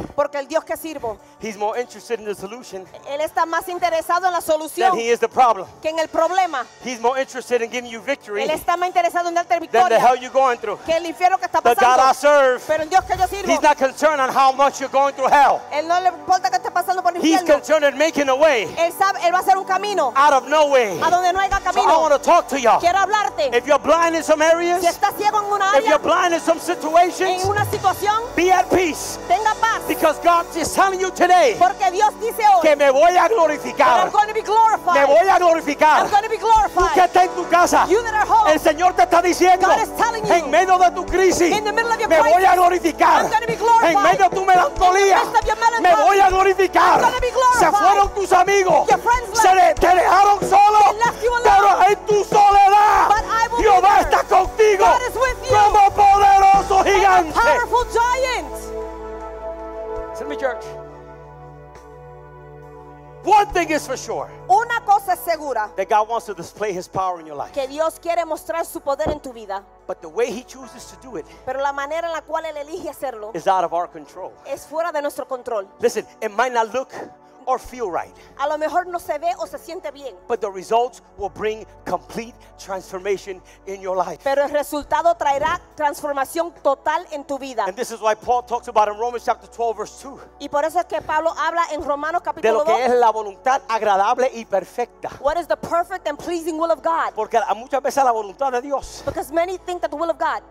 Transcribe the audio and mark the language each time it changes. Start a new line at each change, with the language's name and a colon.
Spanish: Porque el Dios que sirvo.
English: He's more interested in the solution.
Spanish: Él está más interesado en la solución.
English: Than he is the problem.
Spanish: Que en el problema.
English: He's more interested in giving you victory.
Spanish: Él está más interesado en darte victoria.
English: Than the hell you're going through.
Spanish: Que el infierno que está pasando.
English: The God I serve.
Spanish: Pero el Dios que yo sirvo.
English: He's not concerned on how much you're going through hell.
Spanish: Él no le importa que esté pasando por el infierno.
English: He's concerned in making a way.
Spanish: Él sabe, él va a hacer un camino.
English: Out of no way.
Spanish: A donde no haya camino.
English: So I want to talk to y'all.
Spanish: Quiero hablarte.
English: If you're blind in some areas.
Spanish: Si estás ciego en una área.
English: If you're blind in some situations.
Spanish: En una situación.
English: Be at peace.
Spanish: Tenga paz.
English: Because God is telling you today.
Spanish: Porque Dios dice hoy. Que me voy a glorificar.
English: I'm going to be glorified.
Spanish: Me voy a glorificar.
English: I'm going to be glorified.
Spanish: Tú que estás en tu casa.
English: You that are home.
Spanish: El Señor te está diciendo.
English: God is telling you.
Spanish: En medio de tu crisis.
English: In the middle of your crisis.
Spanish: Me voy a glorificar.
English: I'm going to be glorified.
Spanish: En medio de tu melancolía.
English: In the midst of your melancholy.
Spanish: Me voy a glorificar.
English: I'm going to be glorified.
Spanish: Se fueron tus amigos.
English: Your friends left.
Spanish: Te dejaron solo.
English: They left you alone.
Spanish: Pero en tu soledad.
English: But I will
Spanish: Dios
English: be there.
Spanish: Está contigo.
English: God is with you.
Spanish: Como poderoso gigante.
English: And a powerful giant. Listen to me, church. One thing is for sure.
Spanish: Una cosa es segura.
English: That God wants to display His power in your life.
Spanish: Que Dios quiere mostrar su poder en tu vida.
English: But the way He chooses to do it.
Spanish: Pero la manera en la cual él elige hacerlo.
English: Is out of our control.
Spanish: Es fuera de nuestro control.
English: Listen, it might not look or feel right.
Spanish: A lo mejor no se ve o se siente bien.
English: But the results will bring complete transformation in your life.
Spanish: Pero el resultado traerá transformación total en tu vida.
English: And this is why Paul talks about in Romans chapter 12 verse 2.
Spanish: Y por eso es que Pablo habla en Romanos capítulo 2. De lo que es la voluntad agradable y perfecta.
English: What is the perfect and pleasing will of God?
Spanish: Porque muchas veces la voluntad de Dios.
English: Because many think that the will of God.